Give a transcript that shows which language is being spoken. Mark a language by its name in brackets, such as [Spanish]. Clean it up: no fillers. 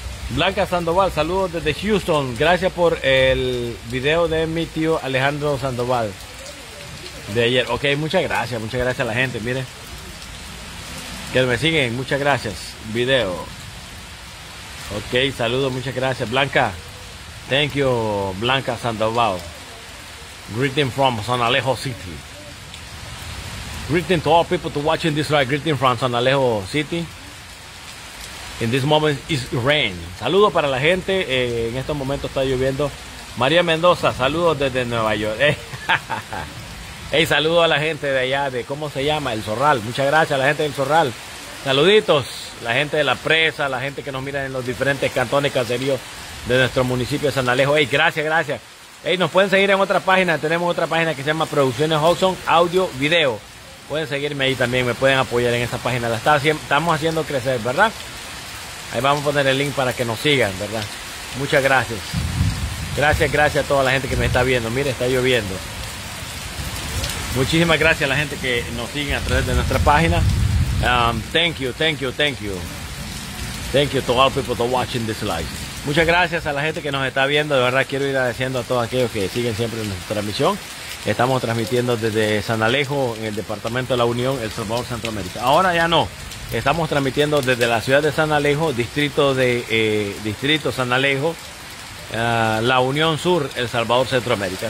[Spanish] Blanca Sandoval, saludos desde Houston. Gracias por el video de mi tío Alejandro Sandoval de ayer. Ok, muchas gracias a la gente, mire. Que me siguen, muchas gracias. Video. Ok, saludos, muchas gracias. [English] Blanca, thank you, Blanca Sandoval. Greeting from San Alejo City. Greeting to all people to watching this live. Greeting from San Alejo City. In this moment is rain. [Spanish] Saludos para la gente. En estos momentos está lloviendo. María Mendoza, saludos desde Nueva York. Hey, saludos a la gente de allá, de cómo se llama, El Zorral. Muchas gracias a la gente del Zorral. Saluditos, la gente de la presa, la gente que nos mira en los diferentes cantones, caseríos de nuestro municipio de San Alejo. Hey, gracias, gracias. Hey, nos pueden seguir en otra página. Tenemos otra página que se llama Producciones Hudson Audio Video. Pueden seguirme ahí también, me pueden apoyar en esa página. La estamos haciendo crecer, ¿verdad? Ahí vamos a poner el link para que nos sigan, ¿verdad? Muchas gracias. Gracias, gracias a toda la gente que me está viendo. Mire, está lloviendo. Muchísimas gracias a la gente que nos sigue a través de nuestra página. [English] Thank you, thank you, thank you. Thank you to all people that are watching this live. [Spanish] Muchas gracias a la gente que nos está viendo. De verdad quiero ir agradeciendo a todos aquellos que siguen siempre nuestra transmisión. Estamos transmitiendo desde San Alejo, en el departamento de la Unión, El Salvador, Centroamérica. Ahora ya no. Estamos transmitiendo desde la ciudad de San Alejo, distrito San Alejo, la Unión Sur, El Salvador, Centroamérica.